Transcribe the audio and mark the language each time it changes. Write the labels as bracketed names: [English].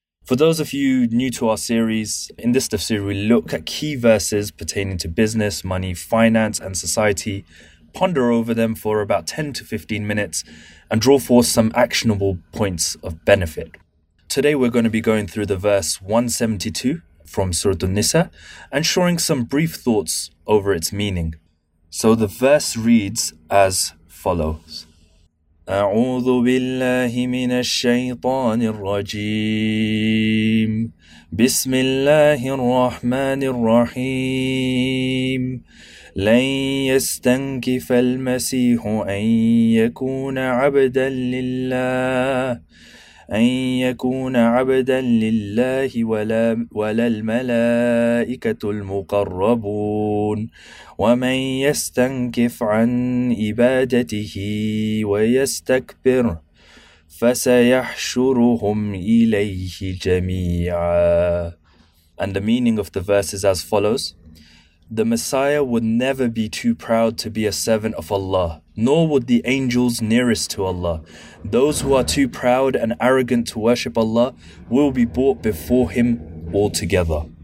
[English] For those of you new to our series, in this tafsir we look at key verses pertaining to business, money, finance and society, ponder over them for about 10 to 15 minutes and draw forth some actionable points of benefit. Today we're going to be going through the verse 172 from Surah An-Nisa and sharing some brief thoughts over its meaning. So the verse reads as follows. [Arabic] أعوذ بالله من الشيطان الرجيم بسم الله الرحمن الرحيم لن يستنكف المسيح أن يكون عبدا لله أن يكون عبدا لله ولا الملائكة المقربون ومن يستنكف عن عبادته ويستكبر فسيحشرهم إليه جميعا. [English] And the meaning of the verse is as follows. The Messiah would never be too proud to be a servant of Allah, nor would the angels nearest to Allah. Those who are too proud and arrogant to worship Allah will be brought before Him altogether.